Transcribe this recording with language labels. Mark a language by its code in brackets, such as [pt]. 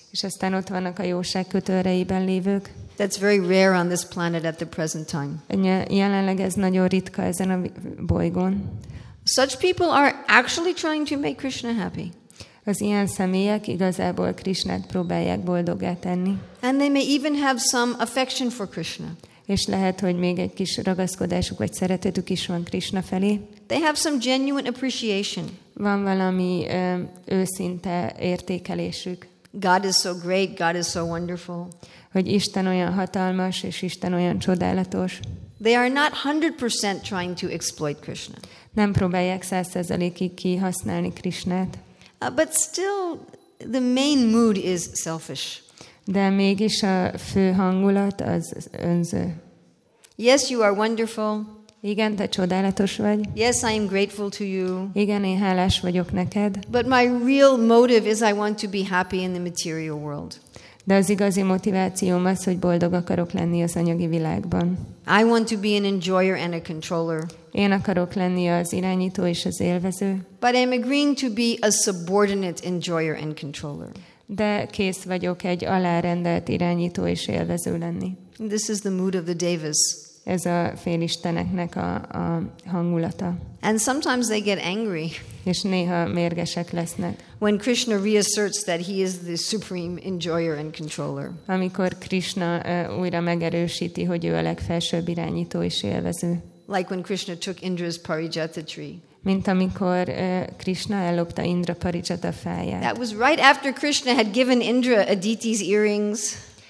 [hu] És aztán ott vannak a jóság kötőereiben lévők. [en] That's very rare on this planet at the present time. [hu] Jelenleg ez nagyon ritka ezen a bolygón. [en] Such people are actually trying to make Krishna happy. [hu] Az ilyen személyek igazából Krishnát próbálják boldoggá tenni. [en] And they may even have some affection for Krishna. [hu] És lehet, hogy még egy kis ragaszkodásuk vagy szeretetük is van Krishna felé. [en] They have some genuine appreciation. [hu] Van valami őszinte értékelésük. [en] God is so great, God is so wonderful. [hu] Hogy Isten olyan hatalmas és Isten olyan csodálatos. [en] They are not 100% trying to exploit Krishna. [hu] Nem próbálják 100%-ig kihasználni Krishnát. [en] But still the main mood is selfish. [hu] De mégis a fő hangulat az önző. [en] Yes, you are wonderful. [hu] Igen, te csodálatos vagy. [en] Yes, I am grateful to you. [hu] Igen, én hálás vagyok neked. [en] But my real motive is I want to be happy in the material world. [hu] De az igazi motivációm az, hogy boldog akarok lenni az anyagi világban. [en] I want to be an enjoyer and a controller. [hu] Én akarok lenni az irányító és az élvező. [en] But I am agreeing to be a subordinate enjoyer and controller. [hu] De kész vagyok egy alárendelt irányító és élvező lenni. [en] This is the mood of the devas. [hu] Ez a félisteneknek a hangulata. [en] And sometimes they get angry. [hu] És néha mérgesek lesznek. [en] When Krishna reasserts that he is the supreme enjoyer and controller. [hu] Amikor Krishna újra megerősíti, hogy ő a legfelsőbb irányító és élvező. [en] Like when Krishna took Indra's parijata tree. [hu] Mint amikor Krishna ellopta Indra parijata fáját. [en] That was right after Krishna had given Indra Aditi's earrings.